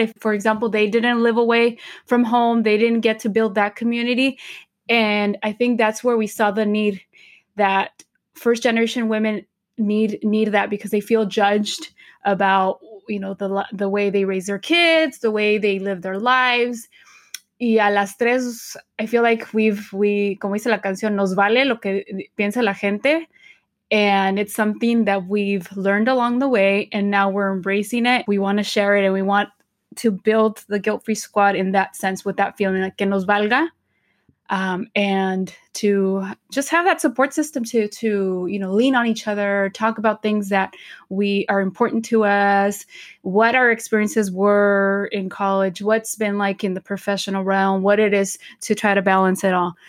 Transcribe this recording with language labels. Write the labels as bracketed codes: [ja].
[en] If, for example, they didn't live away from home, they didn't get to build that community. And I think that's where we saw the need, that first generation women need that, because they feel judged about, you know, the way they raise their kids, the way they live their lives. [es] Y a las tres, [en] I feel like we [es] como dice la canción, nos vale lo que piensa la gente. [en] And it's something that we've learned along the way, and now we're embracing it. We want to share it, and we want to build the guilt-free squad in that sense, with that feeling, like, [es] que nos valga, [en] and to just have that support system to you know, lean on each other, talk about things that are important to us, what our experiences were in college, what's been like in the professional realm, what it is to try to balance it all.